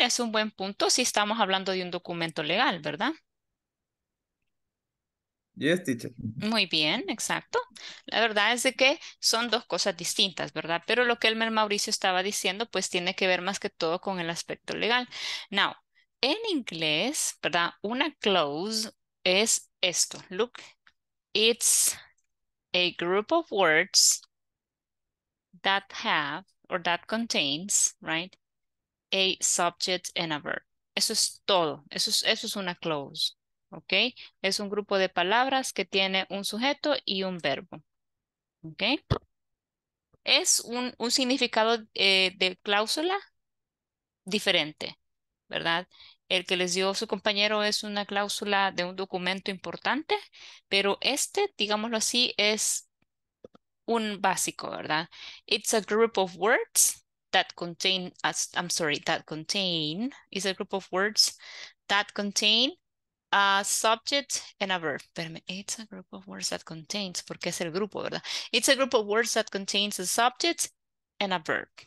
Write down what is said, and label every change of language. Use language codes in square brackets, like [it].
[es] Es un buen punto si estamos hablando de un documento legal, ¿verdad? [en] Yes, teacher. [es] Muy bien, exacto. La verdad es de que son dos cosas distintas, ¿verdad? Pero lo que Elmer Mauricio estaba diciendo, pues tiene que ver más que todo con el aspecto legal. [en] Now, [es] en inglés, ¿verdad? Una clause es esto. [en] Look, it's a group of words that have or that contains, right? A subject and a verb. [es] Eso es todo. Eso es una clause. Okay, es un grupo de palabras que tiene un sujeto y un verbo. Okay, es un significado de cláusula diferente, ¿verdad? El que les dio su compañero es una cláusula de un documento importante, pero este, digámoslo así, es un básico, ¿verdad? [en] It's a group of words that contain, I'm sorry, that contain, is a group of words that contain a subject and a verb. [es] Espérame. [en] It's a group of words that contains, [es] porque es el grupo, ¿verdad? [en] It's a group of words that contains a subject and a verb.